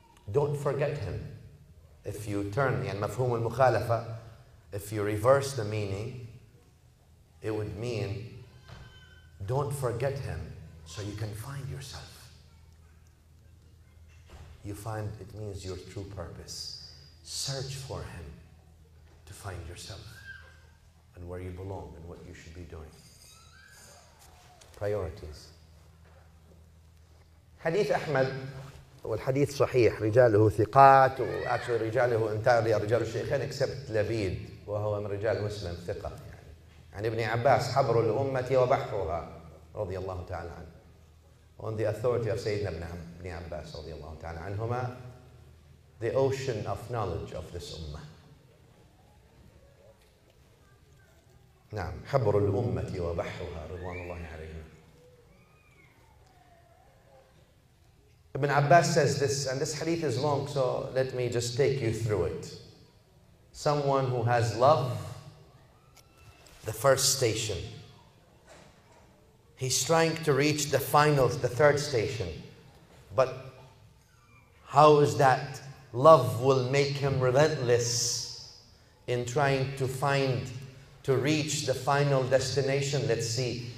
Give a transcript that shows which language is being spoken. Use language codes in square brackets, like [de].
[en] Don't forget Him. If you turn the mafhum al-mukhalafa, if you reverse the meaning, it would mean don't forget Him so you can find yourself. You find it means your true purpose. Search for Him to find yourself. And where you belong and what you should be doing. Priorities. Hadith Ahmad, well, Hadith Sahih, [ar] رجاله ثقات, [en] actually [ar] رجاله [en] entirely are [ar] رجال الشيخين except لبيد, وهو من رجال مسلم ثقة. عن ابن عباس حبر الأمة وبحرها رضي الله تعالى عنه. [en] On the authority of [ar] سيدنا ابن عباس رضي الله تعالى عنهما, [en] the ocean of knowledge of this Ummah. [ar] نعم حبر الأمة وبحرها رضوان الله عليهم. [en] Ibn Abbas says this, and this hadith is long, so let me just take you through it. Someone who has love, the first station. He's trying to reach the final, the third station. But how is that love will make him relentless in trying to find to reach the final destination, let's see.